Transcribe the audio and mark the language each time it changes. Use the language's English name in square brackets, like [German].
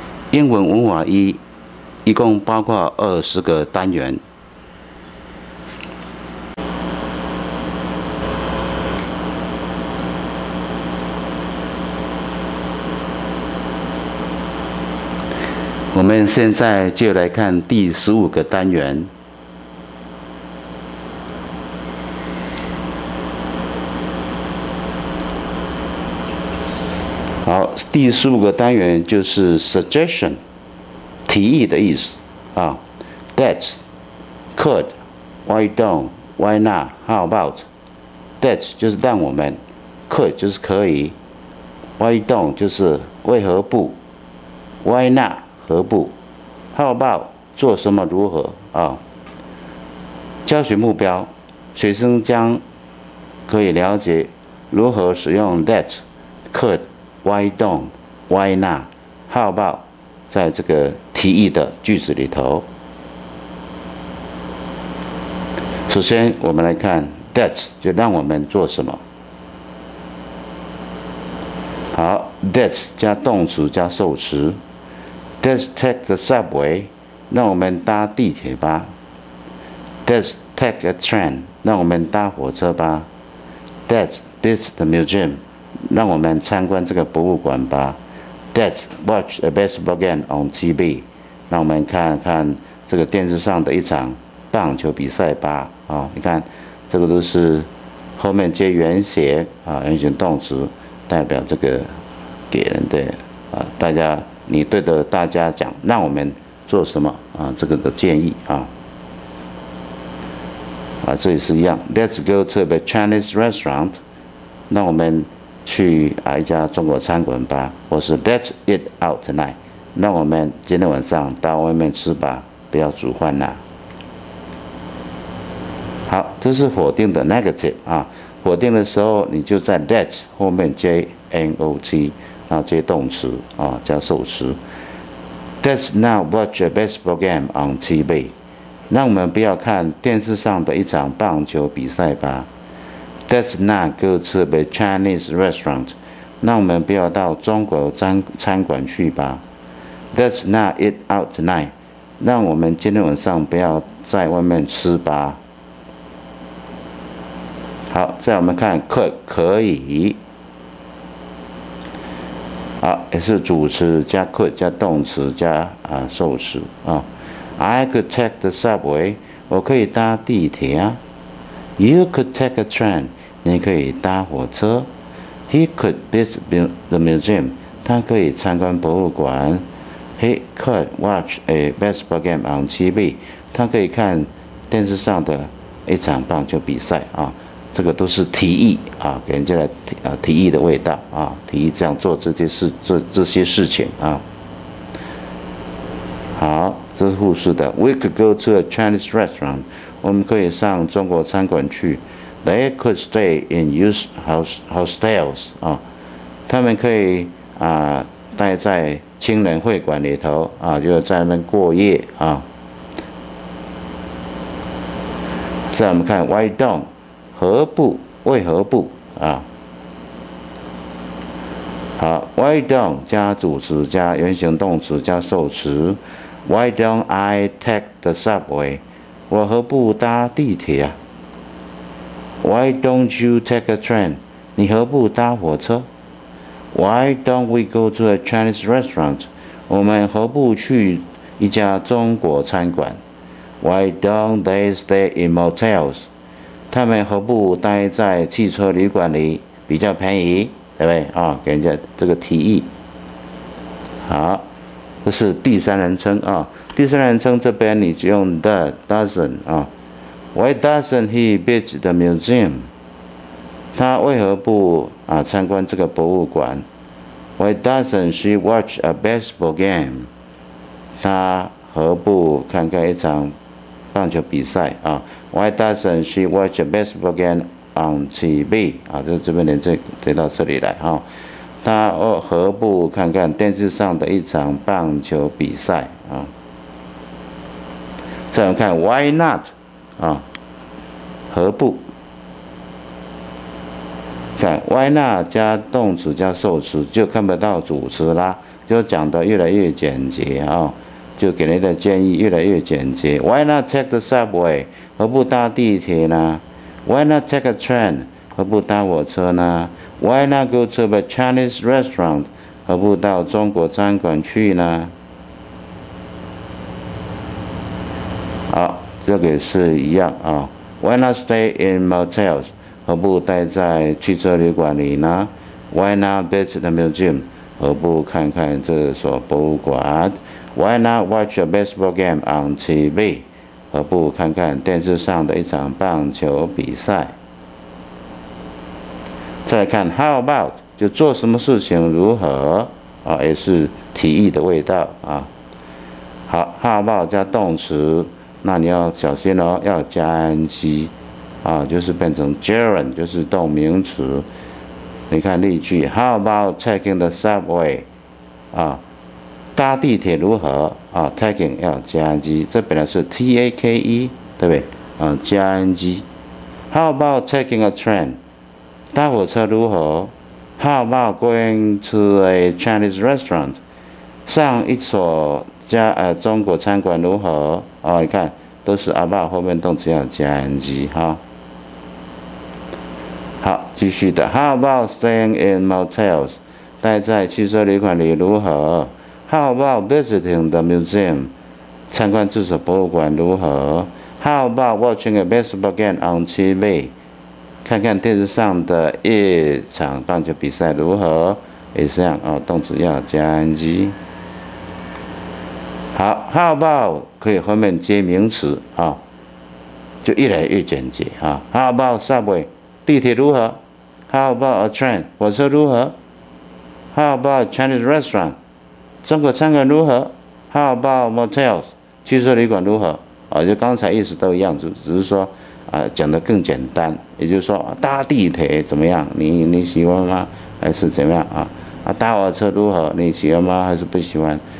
[Chinese] 英文文法一一共包括20个单元，我们现在就来看第15个单元。好，第15个单元就是 suggestion， 提议的意思啊。 [English] That, could, why don't, why not, how about? [Chinese] That 就是让我们， could 就是可以， why don't 就是为何不， why not何不， how about 做什么如何啊。教学目标，学生将可以了解如何使用 that, could,Why don't? [English] Why not? How about? [Chinese] 在这个提议的句子里头。首先我们来看 that 就让我们做什么。好， that 加动词加受词。 [English] Let's take the subway, [Chinese] 让我们搭地铁吧。 [English] Let's take a train, [Chinese] 让我们搭火车吧。 [English] Let's visit the museum, [Chinese] 让我们参观这个博物馆吧。 [English] Let's watch a baseball game on TV. [Chinese] 让我们看看这个电视上的一场棒球比赛吧。啊、哦，你看，这个都是后面接原写啊，原形动词代表这个给人的啊，大家你对着大家讲，让我们做什么啊？这个的建议啊。啊，这也是一样。 [English] Let's go to a Chinese restaurant. [Chinese] 让我们去一家中国餐馆吧，或是 [English] Let's eat out tonight, [Chinese] 让我们今天晚上到外面吃吧，不要煮饭啦。好，这是否定的 negative 啊，否定的时候你就在 Let's 后面接 not, 然后接动词啊，加受词。 [English] Let's not watch a baseball game on TV, [Chinese] 让我们不要看电视上的一场棒球比赛吧。 [English] Let's not go to a Chinese restaurant. [Chinese] 让我们不要到中国餐馆去吧。 [English] Let's not eat out tonight. [Chinese] 让我们今天晚上不要在外面吃吧。好，再我们看 could 可以。好，也是主词加 could 加动词加受词啊。 [English] I could take the subway. [Chinese] 我可以搭地铁啊。 [English] You could take a train. [Chinese] 你可以搭火车。 [English] He could visit the museum. [Chinese] 他可以参观博物馆。 [English] He could watch a baseball game on TV. [Chinese] 他可以看电视上的一场棒球比赛啊。这个都是提议啊，给人家来提议的味道啊，提议这样做这些事，这些事情啊。好，这是护士的。 [English] We could go to a Chinese restaurant. [Chinese] 我们可以上中国餐馆去。 [English] They could stay in used hostels. [Chinese] 啊，他们可以待在青年会馆里头啊，就在那边过夜啊。再我们看 why don't? 何不？为何不？ [English] 啊，好 ，why don't [Chinese] 加主词加原形动词加受词 [English] ，why don't I take the subway? [Chinese] 我何不搭地铁啊？ [English] Why don't you take a train? [Chinese] 你何不搭火车？ [English] Why don't we go to a Chinese restaurant? [Chinese] 我们何不去一家中国餐馆？ [English] Why don't they stay in motels? [Chinese] 他们何不待在汽车旅馆里比较便宜，对不对？啊，给人家这个提议。好，这是第三人称啊。第三人称这边你只用 the doesn't 啊。 [English] Why doesn't he visit the museum? [Chinese] 他为何不参观这个博物馆？ [English] Why doesn't she watch a baseball game? [Chinese] 他何不看看一场棒球比赛啊？ [English] Why doesn't she watch a baseball game [Chinese] 昂起币啊，就这边连接接到这里来哈。他何不看看电视上的一场棒球比赛啊？再看 Why not 啊？何不？看 Why not 加动词加受词就看不到主词啦，就讲得越来越简洁啊。就给人的建议越来越简洁。 [English] Why not take the subway？ [Chinese] 何不搭地铁呢 [English] ？Why not take a train？ [Chinese] 何不搭火车呢 [English] ？Why not go to a Chinese restaurant？ [Chinese] 何不到中国餐馆去呢？好，这个是一样啊。 [English] Why not stay in motels？ [Chinese] 何不待在汽车旅馆里呢 ？ [English] Why not visit the museum？ [Chinese] 何不看看这所博物馆？ [English] Why not watch a baseball game on TV? [Chinese] 何不看看电视上的一场棒球比赛？再看 How about? 就做什么事情如何？啊，也是提议的味道啊。好 ，How about 加动词，那你要小心哦，要加 ing 啊，就是变成 gerund， 就是动名词。你看例句 [English] ，How about taking the subway? [Chinese] 啊。搭地铁如何啊 ？Taking 要加 ing， 这本来是 T A K E， 对不对？啊，加 ing。 [English] How about taking a train？ [Chinese] 搭火车如何 [English] ？How about going to a Chinese restaurant？ [Chinese] 上一所加中国餐馆如何？啊，你看都是 about 后面动词要加 ing 哈。好，继续的。 [English] How about staying in motels？ [Chinese] 待在汽车旅馆里如何？ [English] How about visiting the museum? [Chinese] 参观这所博物馆如何 [English] ？How about watching a baseball game on TV? [Chinese] 看看电视上的一场棒球比赛如何？也是这样啊，动词要加 ing。好 ，How about 可以后面接名词啊，就越来越简洁啊。 [English] How about subway [Chinese] 地铁如何 [English] ？How about a train [Chinese] 火车如何 [English] ？How about Chinese restaurant? [Chinese] 中国餐馆如何 ？ [English] How about motels？ [Chinese] 汽车旅馆如何？啊，就刚才意思都一样，只是说，讲得更简单。也就是说，搭地铁怎么样？你喜欢吗？还是怎么样啊？搭火车如何？你喜欢吗？还是不喜欢？